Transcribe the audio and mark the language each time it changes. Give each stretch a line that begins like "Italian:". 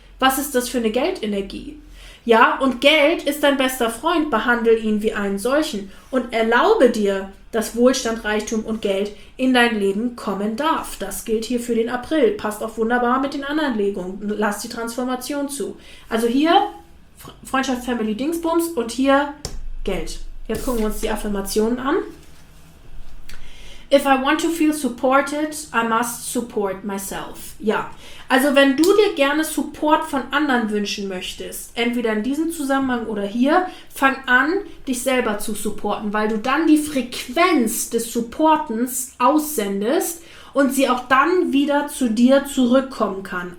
German: Was ist das für eine Geldenergie? Ja, und Geld ist dein bester Freund, behandel ihn wie einen solchen und erlaube dir, dass Wohlstand, Reichtum und Geld in dein Leben kommen darf. Das gilt hier für den April, passt auch wunderbar mit den anderen Legungen, lass die Transformation zu. Also hier Freundschaft, Family, Dingsbums und hier Geld. Jetzt gucken wir uns die Affirmationen an.
English: If I want to feel supported, I must support myself.
German: Ja, also wenn du dir gerne Support von anderen wünschen möchtest, entweder in diesem Zusammenhang oder hier, fang an, dich selber zu supporten, weil du dann die Frequenz des Supportens aussendest und sie auch dann wieder zu dir zurückkommen kann.